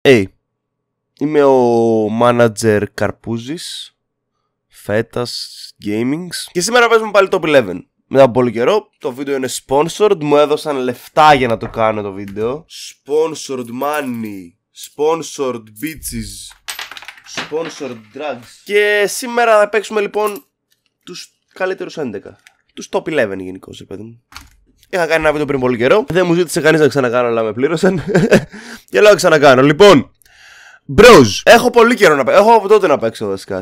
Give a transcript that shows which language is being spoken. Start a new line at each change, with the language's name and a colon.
Greek: Είμαι ο manager καρπούζης, φέτας, gamings. Και σήμερα παίζουμε πάλι Top 11. Μετά από πολύ καιρό, το βίντεο είναι sponsored. Μου έδωσαν λεφτά για να το κάνω το βίντεο.
English: Sponsored money, sponsored bitches, sponsored drugs.
Greek: Και σήμερα θα παίξουμε λοιπόν τους καλύτερους 11. Τους Top 11 γενικώς, παιδί μου. Είχα κάνει ένα βίντεο πριν πολύ καιρό. Δεν μου ζήτησε κανείς να ξανακάνω, αλλά με πλήρωσαν. Και λέω ξανακάνω. Λοιπόν, bros, έχω πολύ καιρό να παίξω. Έχω από τότε να παίξω βασικά.